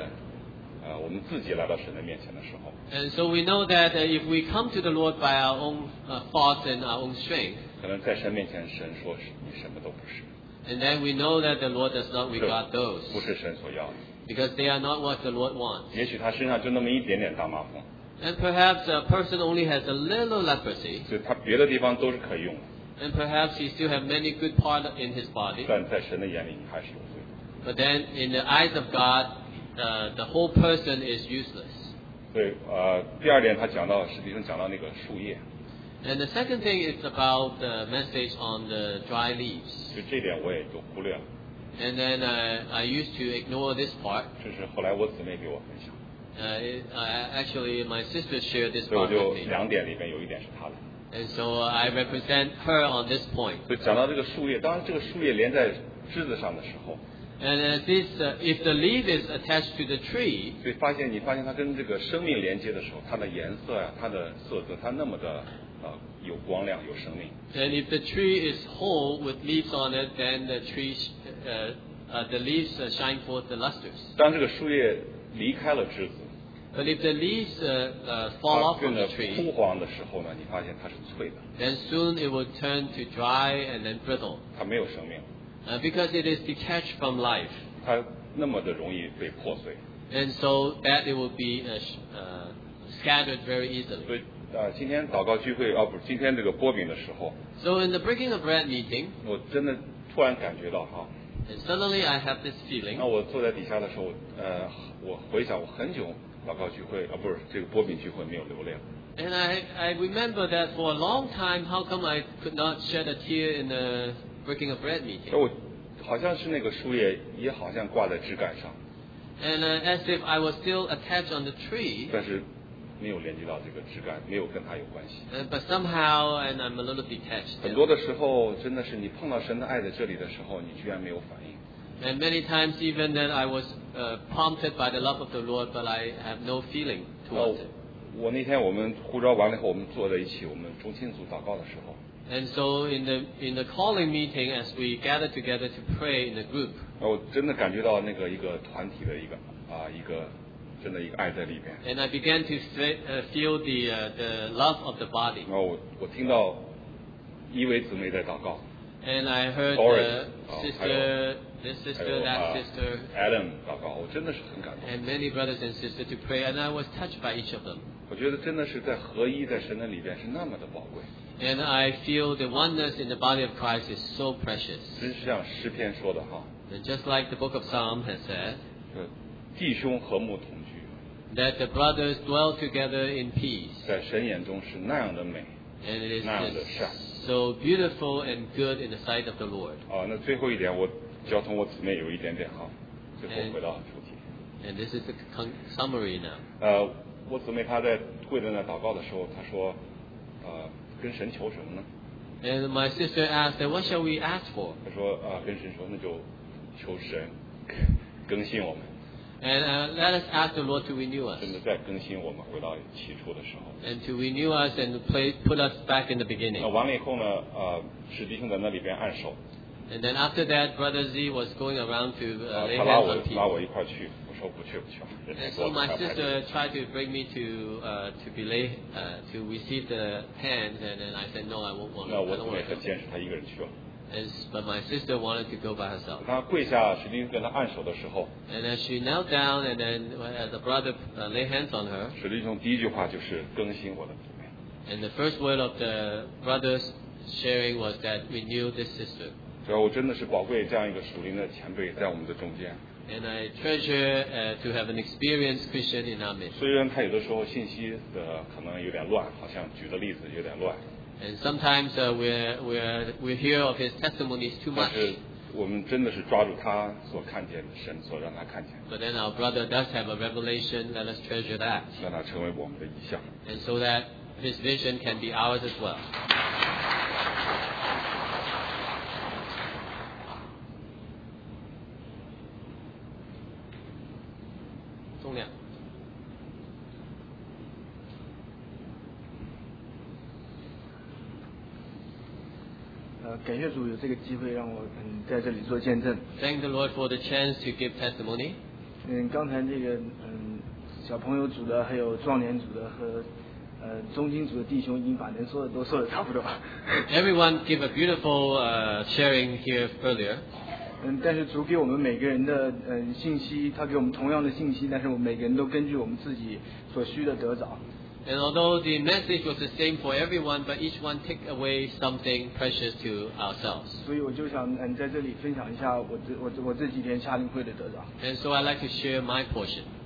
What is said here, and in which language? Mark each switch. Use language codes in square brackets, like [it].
[zh] 对，真的是有的时候我们来到神的面前，凭我们的力量，凭我们自己来到神的面前的时候。 [en] And so we know that if we come to the Lord by our own thoughts and our own strength, [zh] 可能在神面前，神说你什么都不是。 [en] And then we know that the Lord does not regard those. [zh] 不是神所要的。 [en] Because they are not what the Lord wants. [zh] 也许他身上就那么一点点大麻风。 [en] And perhaps a person only has a little leprosy. [zh] 所以他别的地方都是可以用的。 [en] And perhaps he still has many good parts in his body. [zh] 但在神的眼里，他还是有罪。 [en] But then, in the eyes of God, the whole person is useless. [zh] 对，第二点他讲到，实际上讲到那个树叶。 [en] And the second thing is about the message on the dry leaves. [zh] 就这点我也都忽略了。 [en] And then I used to ignore this part. [zh] 这是后来我姊妹给我分享。 [en] Actually, my sister shared this part. And so I represent her on this point. [zh] 讲到这个树叶，当这个树叶连在枝子上的时候。 [en] And if the leaf is attached to the tree. [zh] 所以发现你发现它跟这个生命连接的时候，它的颜色呀，它的色泽，它那么的有光亮，有生命。 [en] And if the tree is whole with leaves on it, then the tree the leaves shine forth the lusters. [zh] 当这个树叶离开了枝子。 [en] But if the leaves fall off from the tree, [zh] 枯黄的时候呢，你发现它是脆的。 [en] Then soon it will turn to dry and then brittle. [zh] 它没有生命。 [en] Because it is detached from life. [zh] 它那么的容易被破碎。 [en] And so that it will be scattered very easily. [zh] 所以今天祷告聚会，今天这个擘饼的时候。 [en] So in the breaking of bread meeting, [zh] 我真的突然感觉到哈。 [en] And suddenly I have this feeling. [zh] 那我坐在底下的时候，我回想我很久。祷告聚会，不是这个擘饼聚会没有流泪。 [en] And I remember that for a long time, how come I could not shed a tear in the breaking of bread meeting? [zh] 我好像是那个树叶，也好像挂在枝干上。 [en] And as if I was still attached on the tree. [zh] 但是没有连接到这个枝干，没有跟它有关系。 [en] But somehow, and I'm a little detached. [zh] 很多的时候，真的是你碰到神的爱在这里的时候，你居然没有反应。 [en] And many times even then I was prompted by the love of the Lord, but I have no feeling towards it. And so in the calling meeting, as we gathered together to pray in the group, and I began to feel the love of the body. And I heard Doris, this sister, [zh] Adam 祷告，我真的是很感动。 [en] And many brothers and sisters to pray, and I was touched by each of them. [zh] 我觉得真的是在合一在神的里边是那么的宝贵。 [en] And I feel the oneness in the body of Christ is so precious. [zh] 真是像诗篇说的哈。 [en] And just like the book of Psalms has said, [zh] 弟兄和睦同居。 [en] That the brothers dwell together in peace. [zh] 在神眼中是那样的美。 [en] And it is so beautiful and good in the sight of the Lord. [zh] 哦，那最后一点，我交通我姊妹有一点点哈，最后回到主题。 [en] And this is the summary now. [zh] 我姊妹她在跪在那祷告的时候，她说，跟神求什么呢 [en] ？And my sister asked, "What shall we ask for?" [zh] 她说，跟神说，那就求神更新我们。 [en] And let us ask the Lord to renew us. [zh] 真的再更新我们回到起初的时候。 [en] And to renew us and put us back in the beginning. [zh] 完了以后呢，使弟兄在那里边按手。 [en] And then after that, Brother Z was going around to lay hands on people. [zh] 拉我一块去，我说不去不去。 [en] And so my sister tried to bring me to receive the hands, and then I said no, I won't want to. [zh] 那我姊妹很坚持，她一个人去了。 [en] But my sister wanted to go by herself. [zh] 她跪下，使弟兄跟她按手的时候。 [en] And as she knelt down, and then the brother lay hands on her. [zh] 使弟兄第一句话就是更新我的姊妹。 [en] And the first word of the brother's sharing was that renew this sister. [zh] 所以我真的是宝贵这样一个属灵的前辈在我们的中间。 [en] And I treasure to have an experienced Christian in our midst. [zh] 虽然他有的时候信息的可能有点乱，好像举的例子有点乱。 [en] And sometimes we hear of his testimonies too much. [zh] 但是我们真的是抓住他所看见的神所让他看见。 [en] But then our brother does have a revelation. Let us treasure that. [zh] 让他成为我们的意象。 [en] And so that his vision can be ours as well. [zh] 重量。感谢主有这个机会让我在这里做见证。 [en] Thank the Lord for the chance to give testimony. [zh] 刚才这个小朋友组的，还有壮年组的和中青组的弟兄，已经把能说的都说的差不多了。 [en] Everyone give a beautiful sharing here earlier. [zh] 但是主给我们每个人的信息，他给我们同样的信息，但是我们每个人都根据我们自己所需的得着。 [en] And although the message was the same for everyone, but each one took away something precious to ourselves. [zh] 所以我就想在这里分享一下我这几天夏令会的得着。 [en] And so I'd like to share my portion.